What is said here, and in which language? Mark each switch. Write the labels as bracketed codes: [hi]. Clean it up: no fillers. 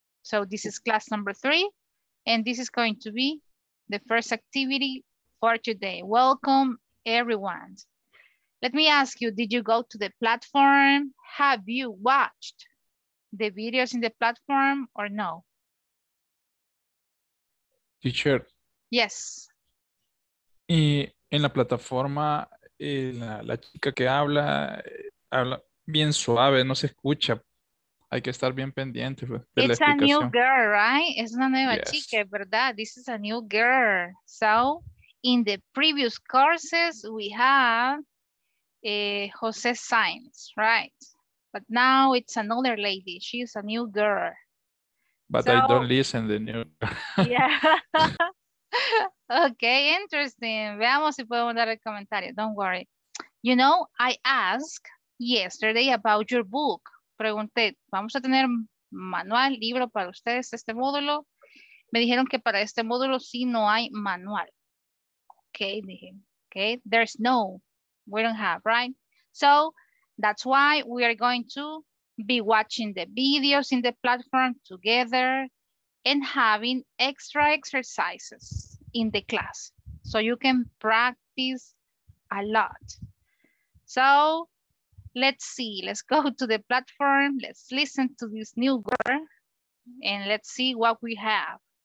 [en] So this is class number 3, and this is going to be the first activity for today. Welcome, everyone. Let me ask you, did you go to the platform? Have you watched the videos in the platform or no? Teacher. Yes. [es] Y en la plataforma, la chica que habla, habla bien suave, no se escucha. Hay que estar bien pendiente de la explicación. [en] It's a new girl, right? [es] Es una nueva chica, ¿verdad? [en] This is a new girl. So, in the previous courses, we have Jose Sainz, right? But now it's another lady. She's a new girl. But so, I don't listen to the new girl. Yeah. Okay, interesting. [es] Veamos si podemos dar el comentario. [en] Don't worry. You know, I asked yesterday about your book. [es] Pregunté, ¿vamos a tener manual, libro para ustedes este módulo? Me dijeron que para este módulo sí no hay manual. [en] Okay, dije, okay, there's no, we don't have, right? So, that's why we are going to be watching the videos in the platform together and having extra exercises in the class. So you can practice a lot. So, let's see, let's go to the platform, let's listen to this new girl, and let's see what we have.